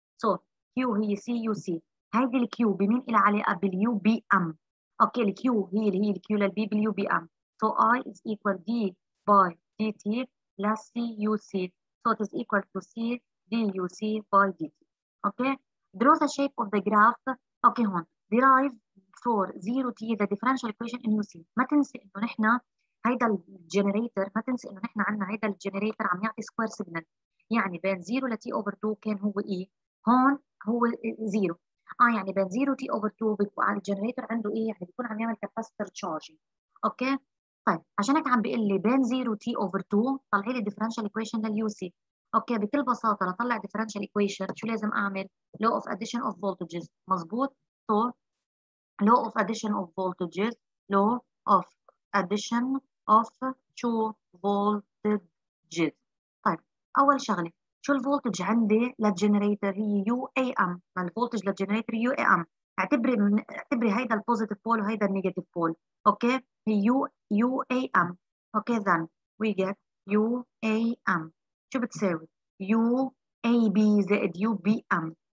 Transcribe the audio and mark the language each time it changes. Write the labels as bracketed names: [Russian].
[Arabic] سو كيو هي سي يو سي، هيدي الكيو بمين لها علاقه؟ باليو بي ام. اوكي الكيو هي اللي هي الكيو للبي باليو بي ام. [English] So I is equal D by D T plus C U C, so it is equal to C D U C by D T. Okay draw the shape of the graph. Okay when drive for 0 t the differential equation in UC. [Arabic] ما تنسي انه نحن هيدا الجنريتر، ما تنسي انه نحن عندنا هيدا الجنريتر عم يعطي [English] square signal، [Arabic] يعني بين 0 ل t over 2 كان هو e، هون هو 0. يعني بين 0 t over 2 بيكون على الجنريتر عنده e، يعني بيكون عم يعمل [English] capacitor charging. [Arabic] اوكي طيب عشان هيك عم بيقول لي بين 0 t over 2 طلعي لي [English] differential equation [Arabic] لل UC. اوكي بكل بساطه لطلع differential equation شو لازم اعمل؟ [English] law of addition of voltages. مزبوط so law of addition of voltages, law of addition of two voltages. [Arabic] طيب اول شغله شو الفولتج عندي للجنريتر؟ هي يو اي ام. الفولتج للجنريتر يو اي ام، اعتبري هيدا البوزيتيف بول وهيدا النيجاتيف بول. اوكي هي يو اي ام. اوكي [English] then we get [Arabic] يو اي ام شو بتساوي؟ يو اي بي زائد يو بي ام.